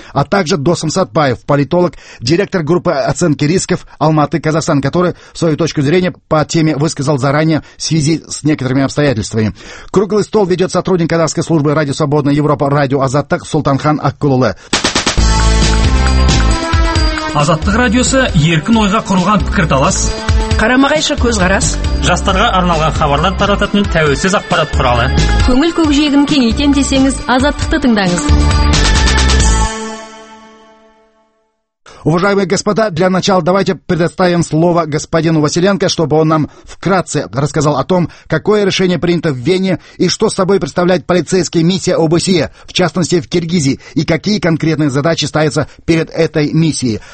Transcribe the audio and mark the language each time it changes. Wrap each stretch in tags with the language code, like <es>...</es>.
<ru>А также Досым Сатпаев, политолог, директор группы оценки рисков Алматы, Казахстан, который свою точку зрения по теме высказал заранее в связи с некоторыми обстоятельствами. Круглый стол ведет сотрудник казахской службы радио «Свободная Европа», радио «Азаттык», Султанхан Аккулулы.</ru> <kk>Азаттық радиосы еркін ойға құрылған пікірталас. Қарама-қайшы көзқарас. Жастарға арналған хабарлар тарататын тәуелсіз ақпарат құралы. Көңіл көкжиегін кеңейтем десеңіз, Азаттықты тыңдаңыз.</kk> <ru>Уважаемые господа, для начала давайте предоставим слово господину Василенко, чтобы он нам вкратце рассказал о том, какое решение принято в Вене и что собой представляет полицейская миссия ОБСЕ, в частности в Киргизии, и какие конкретные задачи ставятся перед этой миссией.</ru>